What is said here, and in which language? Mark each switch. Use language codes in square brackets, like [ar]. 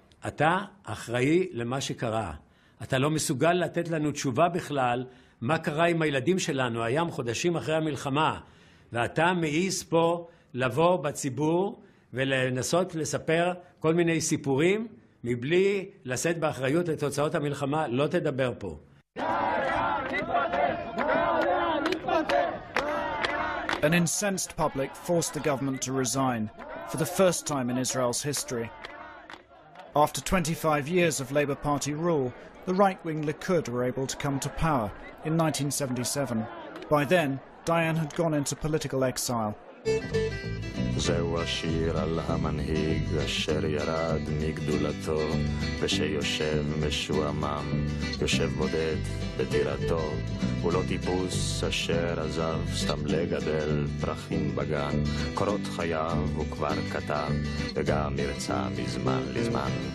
[he] אתה אחראי למה שקרה. אתה לא מסוגל לתת לנו תשובה בכלל מה קרה עם הילדים שלנו היום חודשים אחרי המלחמה, ואתה מעיז פה לבוא בציבור ולנסות לספר כל מיני סיפורים מבלי לשאת באחריות לתוצאות המלחמה, לא תדבר פה. [en] An incensed public forced the government to resign for the first time in Israel's history. After 25 years of Labour Party rule, the right-wing Likud were able to come to power in 1977. By then, Dayan had gone into political exile. [he] זהו השיר על המנהיג אשר ירד מגדולתו ושיושב משועמם, יושב בודד בדירתו, הוא לא טיפוס אשר עזב סתם לגדל פרחים בגן, קורות חייו הוא כבר כתב וגם ירצה מזמן לזמן.